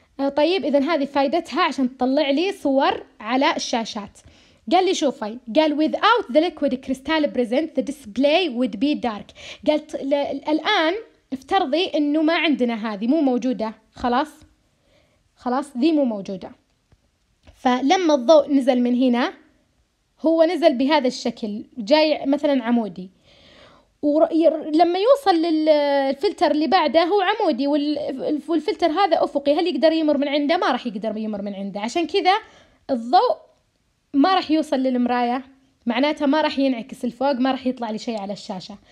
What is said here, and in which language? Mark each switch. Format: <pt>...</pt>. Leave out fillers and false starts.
<ar>طيب إذا هذه فائدتها عشان تطلع لي صور على الشاشات. قال لي شوفي، قال</ar> <en>without the liquid crystal present the display would be dark.</en> <ar>قالت الآن افترضي إنه ما عندنا هذه، مو موجودة، خلاص خلاص ذي مو موجودة. فلما الضوء نزل من هنا، هو نزل بهذا الشكل جاي مثلا عمودي، ولما يوصل للفلتر اللي بعده هو عمودي، والفلتر هذا أفقي، هل يقدر يمر من عنده؟ ما راح يقدر يمر من عنده، عشان كذا الضوء ما راح يوصل للمراية، معناتها ما راح ينعكس الفوق، ما راح يطلع لي شيء على الشاشة.</ar>